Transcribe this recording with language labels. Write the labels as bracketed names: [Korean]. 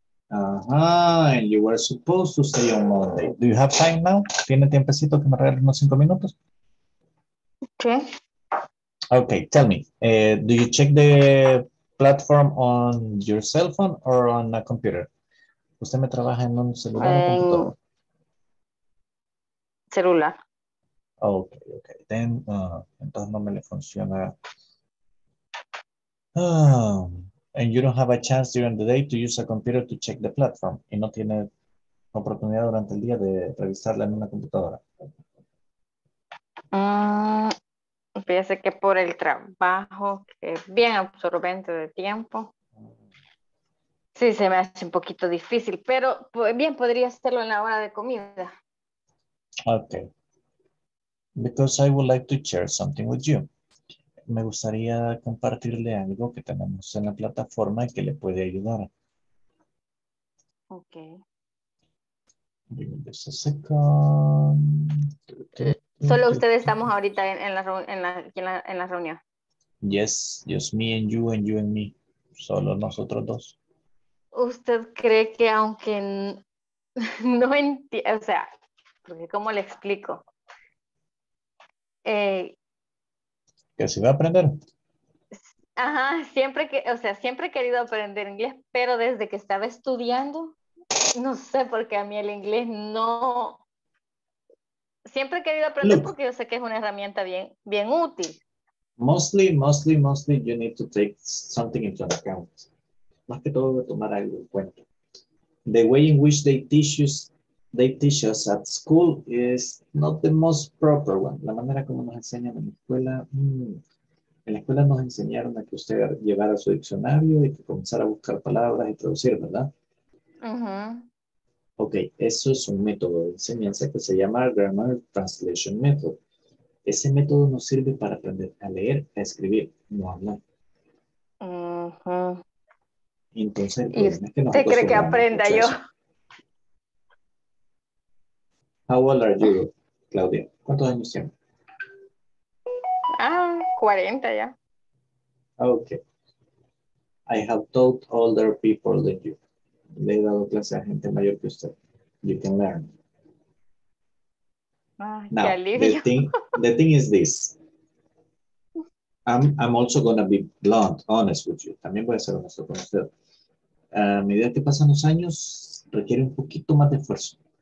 [English] Uh-huh, and you were supposed to stay on Monday. Do you have time now? [Spanish] ¿Tiene tiempecito que me regalen unos 5 minutos? ¿Qué? [English] Okay, tell me. Do you check the platform on your cell phone or on a computer? [Spanish] ¿Usted me trabaja en un celular o computador? Celular. [English] Okay, okay. Then, [Spanish] entonces no me le funciona. [English] And you don't have a chance during the day to use a computer to check the platform. [Spanish] Y no tiene oportunidad durante el día de revisarla en una computadora. Fíjese que por el trabajo, que es bien absorbente de tiempo. Sí, se me hace un poquito difícil, pero bien podría hacerlo en la hora de comida. [English] Okay. Because I would like to share something with you. [Spanish] Me gustaría compartirle algo que tenemos en la plataforma y que le puede ayudar. [English] Ok. Give me just a second. [Spanish] Solo ustedes estamos ahorita en la reunión. [English] Yes, just me and you and me. [Spanish] Solo nosotros dos. ¿Usted cree que aunque no entiende, o sea, cómo le explico? Que se va a aprender. Ajá, siempre he querido aprender inglés, pero desde que estaba estudiando, no sé por qué a mí el inglés no. Siempre he querido aprender. Look, porque yo sé que es una herramienta bien, bien útil. [English] Mostly, you need to take something into account. [Spanish] Más que todo, tomar algo en cuenta. [English] The way in which they teach us at school is not the most proper one. [Spanish] La manera como nos enseñan en la escuela, en la escuela nos enseñaron a que usted llevara su diccionario y que comenzara a buscar palabras y traducir, ¿verdad? Uh-huh. Ok, eso es un método de enseñanza que se llama Grammar Translation Method. Ese método nos sirve para aprender a leer, a escribir, no a hablar. Uh-huh. Entonces, ¿usted cree que aprenda yo? [English] How old are you, Claudia? [Spanish] ¿Cuántos años tienes? Ah, 40 ya. [English] Okay. I have taught older people than you. [Spanish] Le he dado clase a gente mayor que usted. [English] You can learn. Ah, now, [Spanish] qué alivio. [English] The thing is this. I'm also going to be blunt, honest with you. [Spanish] También voy a ser honesto con usted. A medida que pasan los años, requiere un poquito más de esfuerzo.